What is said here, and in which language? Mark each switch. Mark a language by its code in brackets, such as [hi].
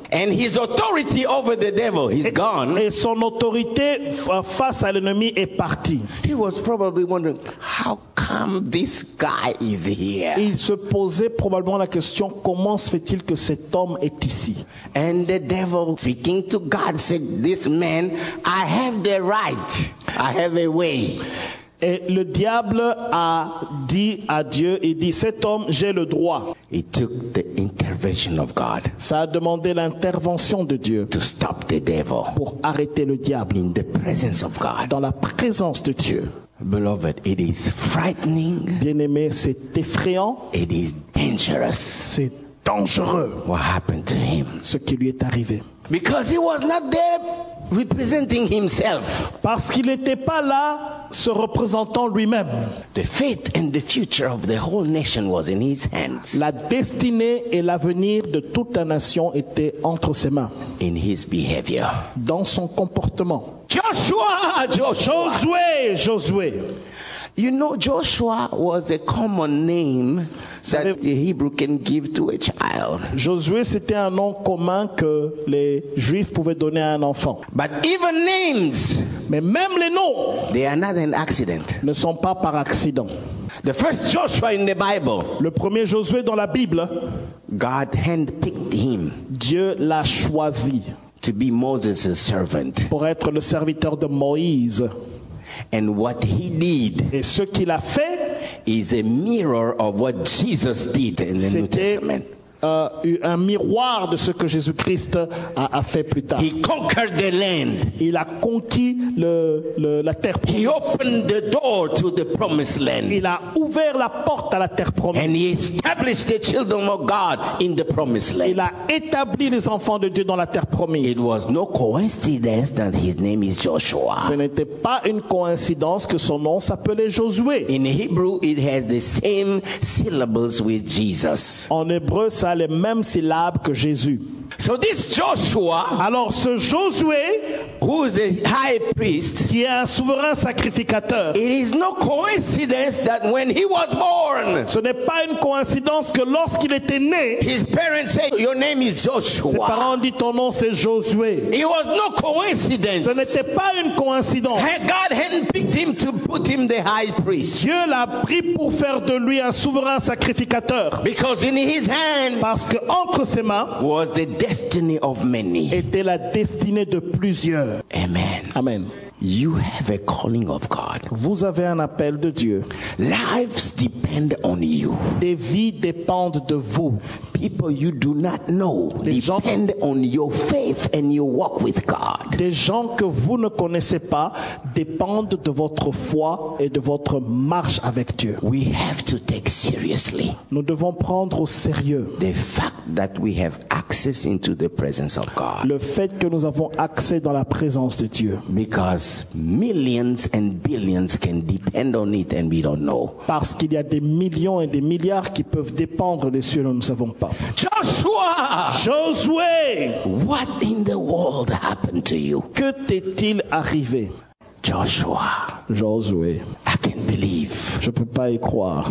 [en] And his authority over the devil is gone. [fr] Et son autorité face à l'ennemi est partie. [en] He was probably wondering, how come this guy is here? [fr] Il se posait probablement la question, comment se fait-il que cet homme est ici? [en] And the devil, speaking to God, said, "This man, I have the right. I have a way." [fr] Et le diable a dit à Dieu, il dit, cet homme, j'ai le droit. [en] He took the intervention of God. [fr] Ça a demandé l'intervention de Dieu. [en] To stop the devil. [fr] Pour arrêter le diable. [en] In the presence of God. [fr] Dans la présence de Dieu. [en] Beloved, it is frightening. [fr] Bien-aimé, c'est effrayant. [en] It is dangerous. [fr] C'est dangereux. [en] What happened to him? [fr] Ce qui lui est arrivé. [en] Because he was not there representing himself. [fr] Parce qu'il n'était pas là se représentant lui-même. [en] The fate and the future of the whole nation was in his hands. [fr] La destinée et l'avenir de toute la nation étaient entre ses mains. [en] In his behavior. [fr] Dans son comportement. [en] Joshua, [fr] Josué, Josué. [en] You know, Joshua was a common name that the Hebrew can give to a child. [fr] Josué, c'était un nom commun que les Juifs pouvaient donner à un enfant. [en] But even names, [fr] mais même les noms, [en] they are not an accident. [fr] Ne sont pas par accident. [en] The first Joshua in the Bible, [fr] le premier Josué dans la Bible, [en] God handpicked him. [fr] Dieu l'a choisi. [en] To be Moses' servant. [fr] Pour être le serviteur de Moïse. [en] And what he did, [fr] et ce qu'il a fait, [en] is a mirror of what Jesus did in the New Testament. [fr] Un miroir de ce que Jésus-Christ a fait plus tard. [en] He conquered the land. [fr] Il a conquis la terre promise. [en] He opened the door to the promised land. [fr] Il a ouvert la porte à la terre promise. [en] And he established the children of God in the promised land. [fr] Il a établi les enfants de Dieu dans la terre promise. [en] It was no coincidence that his name is Joshua. [fr] Ce n'était pas une coïncidence que son nom s'appelait Josué. [en] In Hebrew, it has the same syllables with Jesus. [fr] En hébreu, les mêmes syllabes que Jésus. [en] So this Joshua, [fr] alors ce Josué, [en] who is a high priest, [fr] qui est un souverain sacrificateur, [en] it is no coincidence that when he was born, [fr] ce n'est pas une coïncidence que lorsqu'il était né, [en] his parents say, your name is Joshua. [fr] Ses parents disent ton nom c'est Josué. [en] It was no coincidence. [fr] Ce n'était pas une coïncidence. [en] God handpicked him to put him the high priest. [fr] Dieu l'a pris pour faire de lui un souverain sacrificateur. [en] Because in his hand, [fr] parce que entre ses mains, [en] was the destiny of many. [fr] Était la destinée de plusieurs. [en] Amen. [fr] Amen. [en] You have a calling of God. [fr] Vous avez un appel de Dieu. [en] Lives depend on you. [fr] Des vies dépendent de vous. [en] People you do not know depend on your faith and your walk with God. [fr] Des gens que vous ne connaissez pas dépendent de votre foi et de votre marche avec Dieu. [en] We have to take seriously. [fr] Nous devons prendre au sérieux [en] the fact that we have access into the presence of God. [fr] Le fait que nous avons accès dans la présence de Dieu. [en] Because millions and billions can depend on it and we don't know. [fr] Parce qu'il y a des millions et des milliards qui peuvent dépendre de ce dont nous ne savons pas. [en] Joshua, [fr] Josué, [en] what in the world happened to you? [fr] Que t'est-il arrivé? [en] Joshua, [fr] Josué, [en] I can't believe. [fr] Je peux pas y croire.